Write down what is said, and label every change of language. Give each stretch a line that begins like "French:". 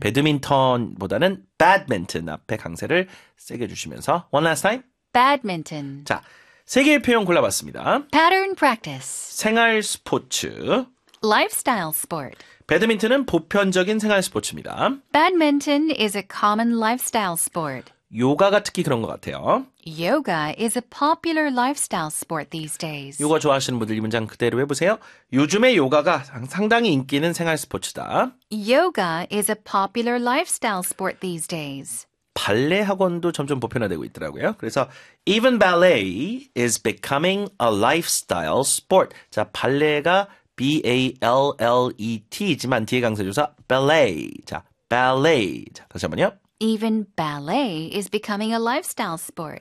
Korean: 배드민턴보다는 badminton 앞에 강세를 세게 주시면서
English: one last time. Badminton.
Korean: 자, 세 개의 표현 골라봤습니다.
English: Pattern practice.
Korean: 생활 스포츠.
English: Lifestyle sport.
Korean: 배드민턴은 보편적인 생활 스포츠입니다.
English: Badminton is a common lifestyle sport.
Korean: 요가가 특히 그런 것 같아요.
English: Yoga is a popular lifestyle sport these days.
Korean: 요가 좋아하시는 분들 이 문장 그대로 해보세요. 요즘에 요가가 상당히 인기 있는 생활 스포츠다.
English: Yoga is a popular lifestyle sport these days.
Korean: 발레 학원도 점점 보편화되고 있더라고요. 그래서
English: even ballet is becoming a lifestyle sport.
Korean: 자, 발레가 B-A-L-L-E-T지만 뒤에 강세 조사 ballet. 자, ballet. 자, 다시 한번요.
English: Even ballet is becoming a lifestyle sport.